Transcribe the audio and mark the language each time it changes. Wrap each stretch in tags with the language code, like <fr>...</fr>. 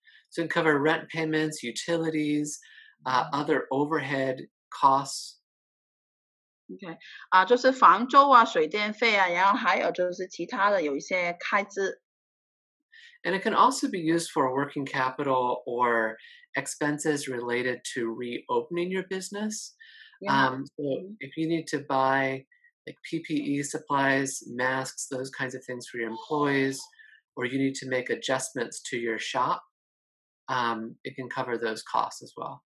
<en>So it can cover rent payments, utilities, other overhead costs.</en> <zh>Okay, 就是房租啊、水电费啊，然后还有就是其他的有一些开支。</zh> <en>And it can also be used for working capital or expenses related to reopening your business. Yeah. So if you need to buy like PPE supplies, masks, those kinds of things for your employees, or you need to make adjustments to your shop, it can cover those costs as well.</en>